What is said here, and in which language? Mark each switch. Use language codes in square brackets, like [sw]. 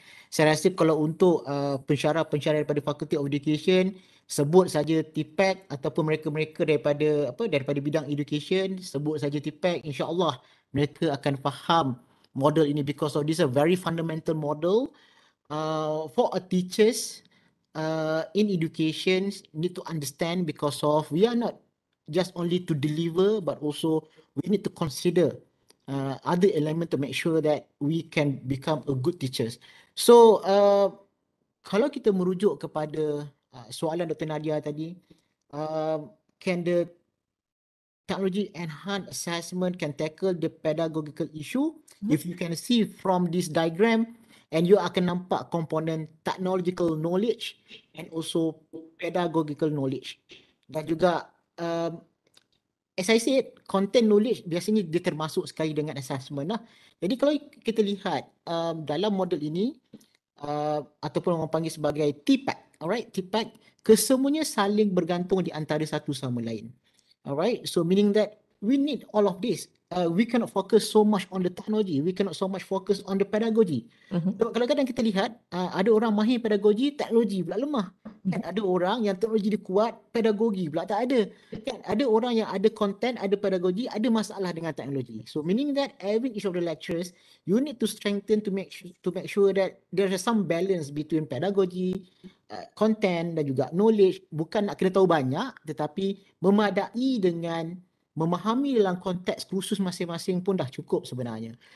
[ms] Saya rasa kalau untuk pensyarah-pensyarah daripada Faculty of Education, sebut saja TPEC ataupun mereka-mereka daripada apa daripada bidang education, sebut saja TPEC, insyaAllah mereka akan faham model ini [en] because of this is a very fundamental model for a teachers in education need to understand because of we are not just only to deliver, but also we need to consider other element to make sure that we can become a good teachers. [ms] So kalau kita merujuk kepada soalan Dr. [en] Nadia tadi, can the technology enhanced assessment can tackle the pedagogical issue? If you can see from this diagram, and you [ms] akan nampak komponen [en] technological knowledge and also pedagogical knowledge. [ms] Dan juga, [en] as I said, [ms] content knowledge biasanya dia termasuk sekali dengan assessment lah. Jadi kalau kita lihat dalam model ini, ataupun orang panggil sebagai TPAC, alright, TPAC, kesemuanya saling bergantung di antara satu sama lain. [en] Alright, so meaning that we need all of this. We cannot focus so much on the technology. We cannot so much focus on the pedagogy. [ms] Sebab kadang-kadang kita lihat, ada orang mahir pedagogi, teknologi pula lemah. Kan? Ada orang yang teknologi dia kuat, pedagogi pula tak ada. Kan? Ada orang yang ada content, ada pedagogi, ada masalah dengan teknologi. [en] So meaning that every each of the lectures, you need to strengthen to make sure that there is some balance between pedagogy, content [ms] dan juga [en] knowledge. [ms] Bukan nak kena tahu banyak, tetapi memadai dengan memahami dalam konteks khusus masing-masing pun dah cukup sebenarnya.